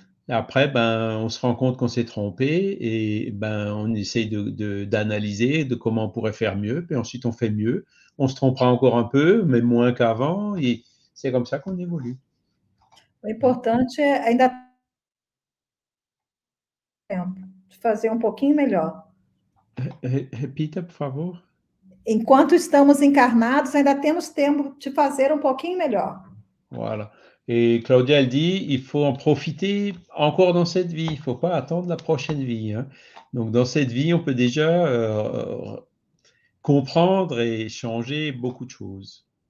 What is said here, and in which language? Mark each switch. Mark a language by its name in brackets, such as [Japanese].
[French] Après, ben, on se rend compte qu'on s'est trompé et ben, on essaye d'analyser de comment on pourrait faire mieux. Puis ensuite, on fait mieux. On se trompera encore un peu, mais moins qu'avant. Et c'est comme ça qu'on évolue. [Portuguese] O importante é ainda tempo de fazer um pouquinho melhor. Repita, por favor. Enquanto estamos encarnados, ainda temos tempo de fazer um pouquinho melhor. [French] Voilà. Et Claudia, elle dit, il faut en profiter encore dans cette vie, il ne faut pas attendre la prochaine vie. Hein. Donc, dans cette vie, on peut déjà comprendre et changer beaucoup de choses.